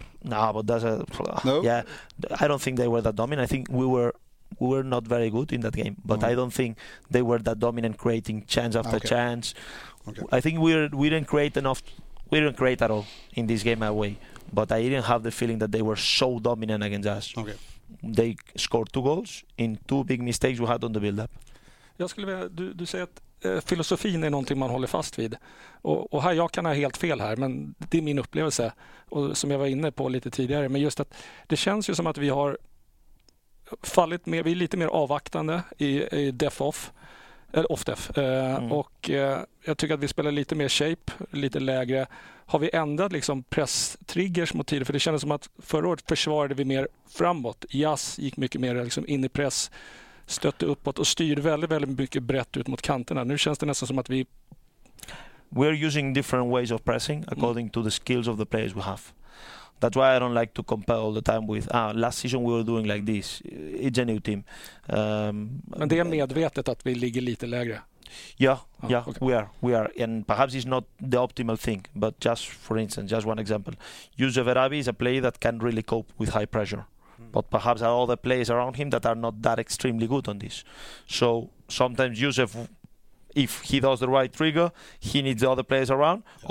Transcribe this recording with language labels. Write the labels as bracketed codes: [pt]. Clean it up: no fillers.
[en] I don't think they were that dominant. I think we were not very good in that game, but I don't think they were that dominant creating chance after chance. Okay. I think we didn't create at all in this game away, but I didn't have the feeling that they were so dominant against us. Okay. They scored two goals in two big mistakes we had on the build-up. [sv] Jag skulle vilja, du säger att filosofin är någonting man håller fast vid. Och här, jag kan ha helt fel här, men det är min upplevelse och som jag var inne på lite tidigare. Men just att det känns ju som att vi har fallit mer, vi är lite mer avvaktande i off-def. Och jag tycker att vi spelar lite mer shape, lite lägre. Har vi ändrat liksom press-triggers mot tiden? För det kändes som att förra året försvarade vi mer framåt. Jazz gick mycket mer liksom in i press, stötte uppåt och styrde väldigt, väldigt mycket brett ut mot kanterna. Nu känns det nästan som att vi... [en] We are using different ways of pressing according to the skills of the players we have. That's why I don't like to compare all the time with last season we were doing like this. It's a new team. [sv] Men det är medvetet att vi ligger lite lägre. [en] Yeah, okay. we are. And perhaps it's not the optimal thing, but just for instance, just one example. Yusuf Erabi is a player that can really cope with high pressure. But perhaps are all the players around him that are not that extremely good on this. So sometimes Yusuf, if he does the right trigger, he needs the other players around. Yes.